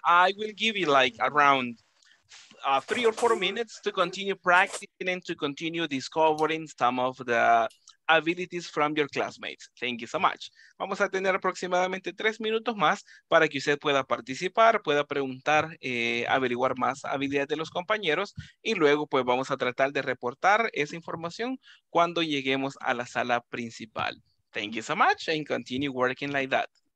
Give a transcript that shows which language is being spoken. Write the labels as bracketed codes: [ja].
[en] I will give you like around 3 or 4 minutes to continue practicing and to continue discovering some of the abilities from your classmates. Thank you so much. [es] Vamos a tener aproximadamente 3 minutos más para que usted pueda participar, pueda preguntar, averiguar más habilidades de los compañeros y luego pues vamos a tratar de reportar esa información cuando lleguemos a la sala principal. [en] Thank you so much and continue working like that.